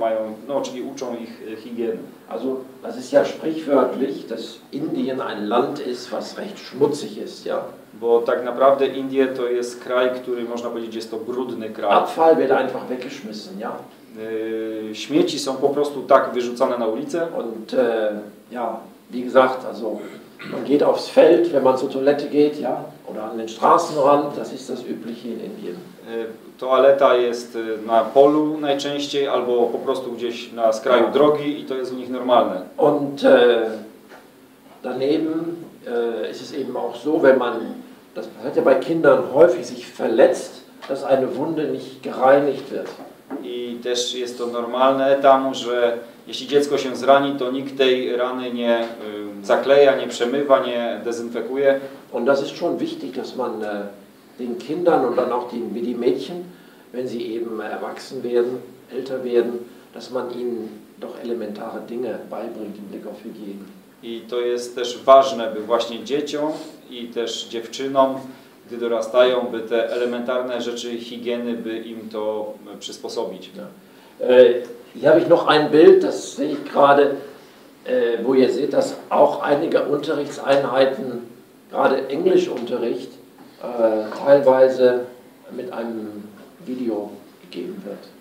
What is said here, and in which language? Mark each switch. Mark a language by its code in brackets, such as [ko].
[pl] mają, no czyli uczą ich higieny. [de] Also, das ist ja sprichwörtlich, dass Indien ein Land ist, was recht schmutzig ist, ja. [pl] Bo tak naprawdę Indie to jest kraj, który można powiedzieć jest to brudny kraj. [de] Abfall wird einfach weggeschmissen, ja. [pl] Śmieci są po prostu tak wyrzucane na ulicę. [de] Und ja, wie gesagt, also man geht aufs Feld, wenn man zur Toilette geht, ja, oder an den Straßenrand, das ist das übliche in Indien. [pl] Toaleta jest na polu najczęściej, albo po prostu gdzieś na skraju drogi i to jest u nich normalne. [de] Und daneben ist es eben auch so, wenn man, das passiert ja bei Kindern häufig, sich verletzt, dass eine Wunde nicht gereinigt wird. [pl] I też jest to normalne tam, że jeśli dziecko się zrani, to nikt tej rany nie zakleja, nie przemywa, nie dezynfekuje. [de] Und das ist schon wichtig, dass man den Kindern und dann auch die Mädchen, wenn sie eben erwachsen werden, älter werden, dass man ihnen doch elementare Dinge beibringt im Blick auf Hygiene. [pl] I to jest też ważne, by właśnie dzieciom i też dziewczynom, gdy dorastają, by te elementarne rzeczy higieny, by im to przysposobić. [de] Ja. Hier habe ich noch ein Bild, das sehe ich gerade, wo ihr seht, dass auch einige Unterrichtseinheiten, gerade Englischunterricht, teilweise mit einem Video gegeben wird.